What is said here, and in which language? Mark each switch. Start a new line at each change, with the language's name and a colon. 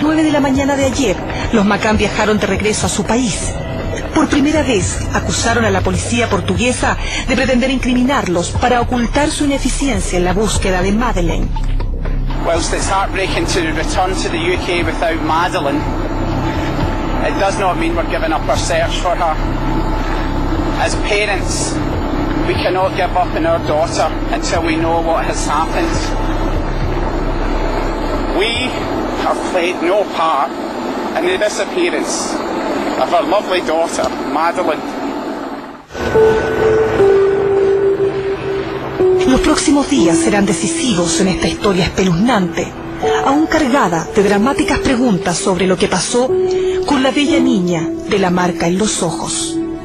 Spanish: De la mañana de ayer, los McCann viajaron de regreso a su país. Por primera vez, acusaron a la policía portuguesa de pretender incriminarlos para ocultar su ineficiencia en la búsqueda de Madeleine.
English: Whilst it's heartbreaking to return to the UK without Madeleine, it does not mean we're giving up our search for her. As parents, we cannot give up on our daughter until we know what has happened. We have played no part in the disappearance of our lovely daughter, Madeleine.
Spanish: Los próximos días serán decisivos en esta historia espeluznante, aún cargada de dramáticas preguntas sobre lo que pasó con la bella niña de la marca en los ojos.